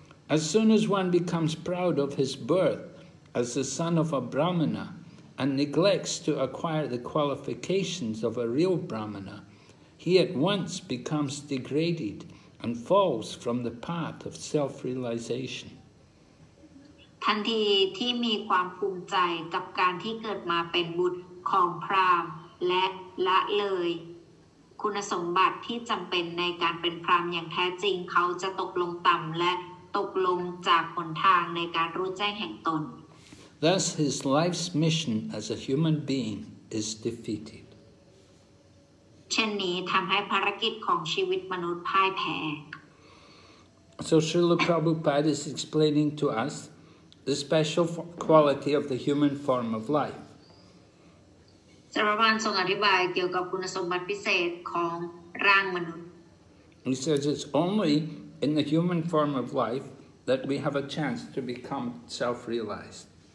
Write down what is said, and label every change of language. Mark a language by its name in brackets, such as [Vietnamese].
[English] As soon as one becomes proud of his birth as the son of a brahmana and neglects to acquire the qualifications of a real brahmana, he at once becomes degraded and falls from the path of self-realization. [Thai] ทันทีที่มีความภูมิใจกับการที่เกิดมาเป็นบุตรของพราหมณ์และละเลยคุณสมบัติที่จำเป็นในการเป็นพราหมณ์อย่างแท้จริงเขาจะตกลงต่ำและตกลงจากหนทางในการรู้แจ้งแห่งตน [English] Thus his life's mission as a human being is defeated [Thai] เช่นนี้ทำให้ภารกิจของชีวิตมนุษย์พ่ายแพ้ [English] So Srila Prabhupada is explaining to us the special quality of the human form of life. He says it's only in the human form of life that we have a chance to become self-realized.